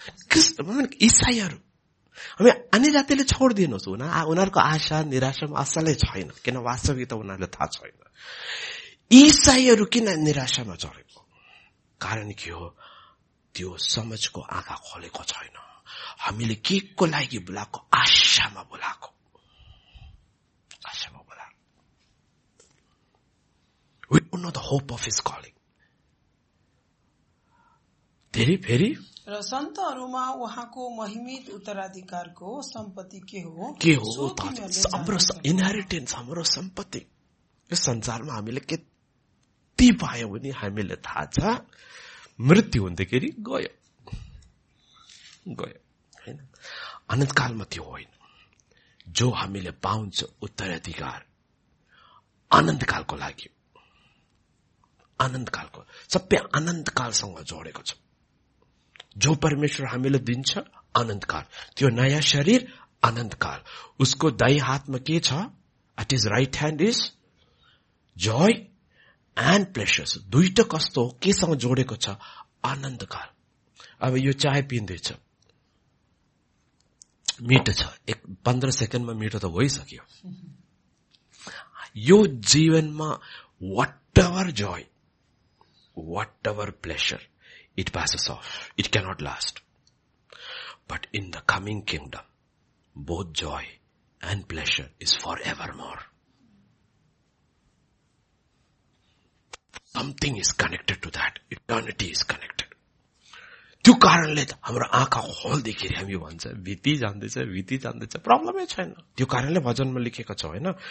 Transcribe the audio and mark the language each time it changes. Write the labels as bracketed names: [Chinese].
[Nepali] क्रिस्त इसाईहरू हामी अन्य जातिले छोडिदिनुहोस्, उनीहरूको आशा निराशामा असलै छैन. किन? वास्तविकता उनीहरूले थाहा छैन. इसाईहरू किन निराशामा चढेको? कारण के हो? त्यो समझको आँखा खोलेको छैन. हामीले के को लागि बोलाएको? आशामा बोलाएको. आशामा [English] We don't know the hope of his calling. [Nepali] फेरि र सन्तहरूमा उहाँको महिमित उत्तराधिकारको सम्पत्ति के हो? के हो? हाम्रो इनहेरिटेन्स, हाम्रो सम्पत्ति. यो संसारमा हामीले कति पायौँ भने हामीले थाहा छ. मृत्यु हुँदाखेरि गयो गयो, होइन? अनन्तकालमा त्यो होइन. जो हामीले पाउँछ उत्तराधिकार अनन्तकालको लागि, आनन्दकालको, सबै आनन्दकालसँग जोडेको छ. जो परमेश्वर हामीले दिन्छ आनन्दकाल, त्यो नयाँ शरीर आनन्दकाल. उसको दाई हातमा के छ? [English] At his right hand is joy and pleasures. [Nepali] दुईटा कस्तो हो? केसँग जोडेको छ? आनन्दकाल. अब यो चाय पिँदैछ, मिठो छ, एक 15 सेकेन्डमा मिठो त भइसक्यो. यो जीवनमा [English] Whatever joy, whatever pleasure, it passes off, it cannot last. But in the coming kingdom, both joy and pleasure is forevermore. Something is connected to that. Eternity is connected. [Nepali] त्यो कारणले हाम्रो आँखा खोल्दैखेरि हामी भन्छ भीति जान्दैछ, भीति जान्दैछ. प्रब्लमै छैन. त्यो कारणले भजनमा लेखेको छ, होइन?